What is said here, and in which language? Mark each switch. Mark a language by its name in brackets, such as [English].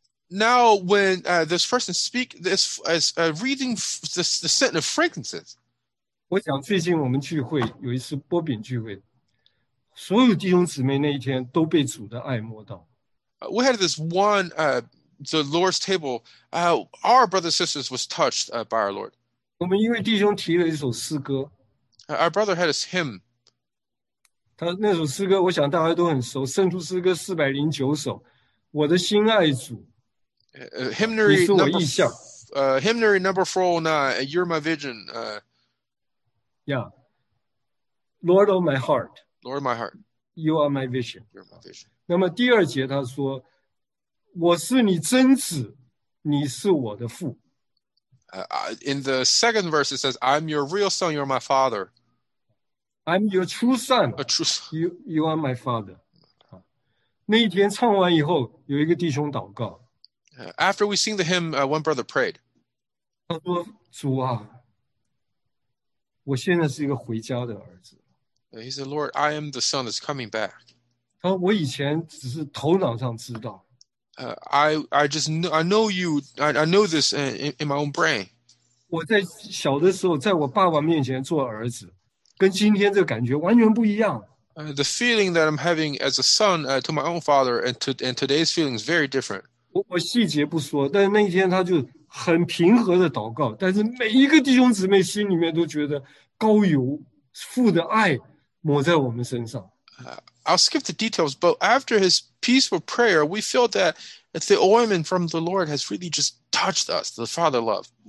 [English] now when this person speaks this as reading the scent of fragrances. [Chinese] 我想最近我们聚会, 有一次波饼聚会, 所有弟兄姊妹那一天都被主的爱摸到。 [English] We had this one, the Lord's table, our brothers and sisters was touched by our Lord. [Chinese] 我们因为弟兄提了一首诗歌, [English] Our brother had his hymn. [Chinese] 那首诗歌我想大家都很熟, 圣徒诗歌409首, 我的心爱主, [English] hymnary [Chinese] 你是我意象, [English] hymnary number 409, You're my vision. Yeah. Lord of my heart. Lord of my heart. You are my vision. You're my vision. [Chinese] 那么第二节他说, 我是你真子, 你是我的父。 [English] In the second verse it says, I'm your real son, you're my father. I'm your true son. A true son. You are my father. [Chinese] 那一天唱完以后, 有一个弟兄祷告。 [English] After we sing the hymn, one brother prayed. [Chinese] 他说, 主啊, 我现在是一个回家的儿子。 [English] He said, Lord, I am the son that's coming back. [Chinese] 他说我以前只是头脑上知道。 [English] I know this in my own brain. [Chinese] 我在小的时候, 在我爸爸面前做儿子。跟今天这感觉完全不一样。 [English] The feeling that I'm having as a son to my own father and today's feeling is very different. [Chinese] 我细节不说, 但是那一天他就很平和的祷告, 但是每一个弟兄姊妹心里面都觉得高有父的爱抹在我们身上。 [English] I'll skip the details, but after his peaceful prayer, we feel that the ointment from the Lord has really just touched us, the father love.